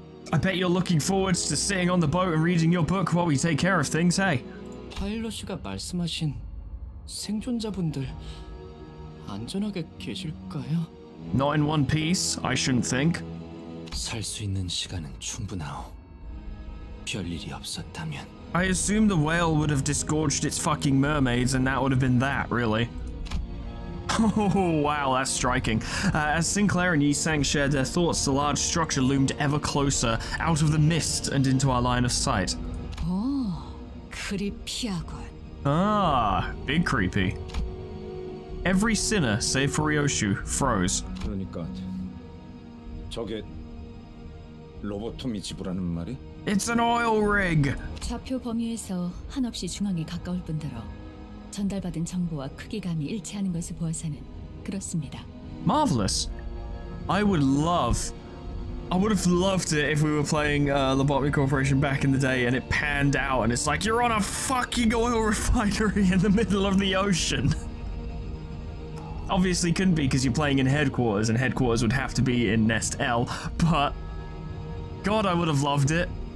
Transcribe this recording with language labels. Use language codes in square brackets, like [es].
[en] I bet you're looking forward to sitting on the boat and reading your book while we take care of things, hey? [ko] 파일럿이가 말씀하신 생존자분들 안전하게 계실까요? [en] Not in one piece, I shouldn't think. [ko] 살 수 있는 시간은 충분하오. 별일이 없었다면. [en] I assume the whale would have disgorged its fucking mermaids and that would have been that, really. Oh, wow, that's striking. As Sinclair and Yi Sang shared their thoughts, the large structure loomed ever closer, out of the mist and into our line of sight. Oh, creepy-a-gun. Ah, big creepy. Every sinner, save for Ryoshu, froze. [ko] 그러니까, 저게 로보토미지부라는 말이? [en] It's an oil rig! [ko] 좌표 범위에서 한없이 중앙에 가까울 뿐더러. 전달받은 정보와 크기감이 일치하는 것을 보아서는 그렇습니다. [en] Marvelous. I would have loved it if we were playing Lobotomy Corporation back in the day and it panned out and it's like you're on a fucking oil refinery in the middle of the ocean. Obviously couldn't be because you're playing in headquarters and headquarters would have to be in Nest L, but God, I would have loved it.